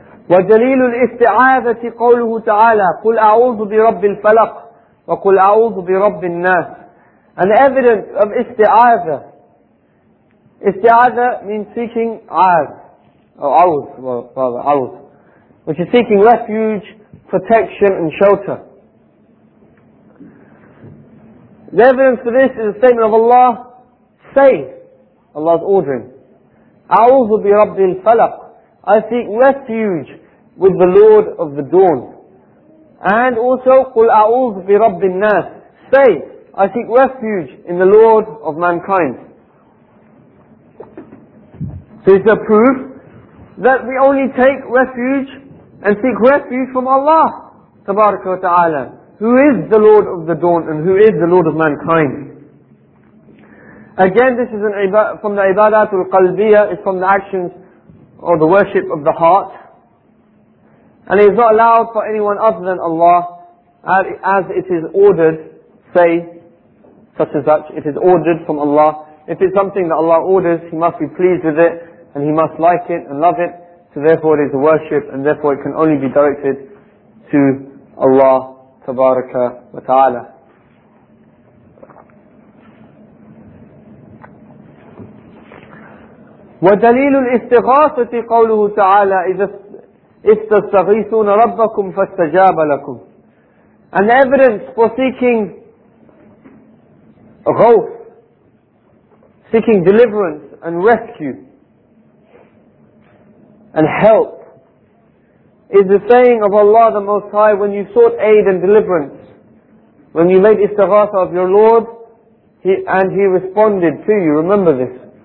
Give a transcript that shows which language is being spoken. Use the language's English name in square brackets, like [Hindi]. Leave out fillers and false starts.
[Arabic] ودليل الاستعاذة قوله تعالى قل أعوذ برب الفلق وقل أعوذ برب الناس. [English] An evidence of استعاذة. استعاذة means seeking عاذ. Or عوذ, rather, عوذ. Which is seeking refuge, protection and shelter. The evidence for this is the statement of Allah, say, Allah's ordering. [Arabic] أعوذ برب الفلق. [English] I seek refuge with the Lord of the Dawn. And also, [Arabic] قُلْ أَعُوذُ بِرَبِّ النَّاسِ. [English] Say, I seek refuge in the Lord of mankind. So it's a proof that we only take refuge and seek refuge from Allah, [Arabic] تَبَارَكَ وَتَعَالَى, [English] who is the Lord of the Dawn and who is the Lord of mankind. Again, this is from the [Arabic] عِبَادَاتُ الْقَلْبِيَةِ, [English] it's from the actions or the worship of the heart. And it is not allowed for anyone other than Allah, as it is ordered, say, such and such, it is ordered from Allah. If it's something that Allah orders, He must be pleased with it, and He must like it and love it, so therefore it is a worship, and therefore it can only be directed to Allah, Tabaraka wa Ta'ala. [Arabic] ودليل الاستغاثة قوله تعالى إذا استغيثون ربكم فاستجاب لكم. [English] An evidence for seeking غوث, seeking deliverance and rescue and help, is the saying of Allah the Most High, when you sought aid and deliverance, when you made istighatha of your Lord, He responded to you. Remember this.